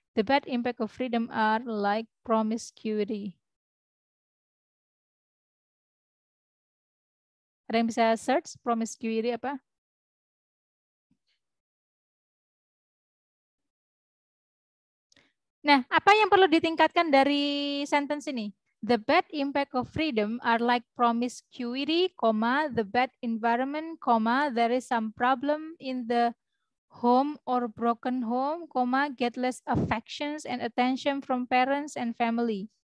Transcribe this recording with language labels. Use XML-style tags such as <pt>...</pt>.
<en>The bad impact of freedom are like promiscuity.</en> <id>Ada yang bisa search promiscuity apa? Nah, apa yang perlu ditingkatkan dari sentence ini?</id> <en>The bad impact of freedom are like promiscuity, comma, the bad environment, comma, there is some problem in the home or broken home, comma, get less affections and attention from parents and family.</en>